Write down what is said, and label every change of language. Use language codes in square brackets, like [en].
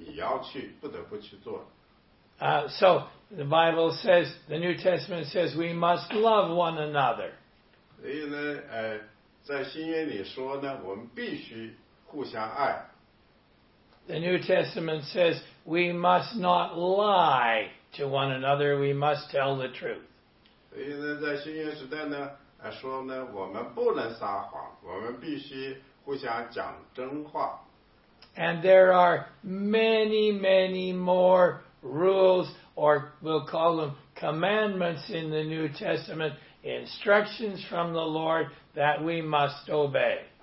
[zh] 所以呢，第一组那个规则呢，在新约时代呢，就是一个命令式的，他就是说，这就是你要去，不得不去做。 [en] So, the Bible says, the New Testament says, we must love one another. [zh] 所以呢，在新约里说呢，我们必须互相爱。 [en] The New Testament says we must not lie to one another, we must tell the truth. [zh] 所以呢，在新约时代呢，说呢，我们不能撒谎，我们必须互相讲真话。 [en] And there are many, many more rules, or we'll call them commandments in the New Testament, instructions from the Lord that we must obey.